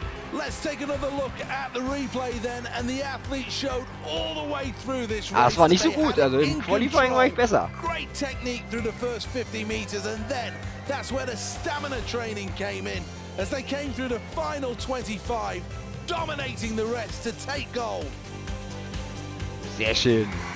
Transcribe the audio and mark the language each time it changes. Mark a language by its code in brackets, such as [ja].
[en] Let's take another look at the replay then, and the athletes showed all the way through this race. [de] Ah, das war nicht so gut, also im Qualifying war ich besser. [en] Great technique through the first 50 meters, and then that's where the stamina training came in. As they came through the final 25, dominating the rest to take gold. [de] Sehr schön.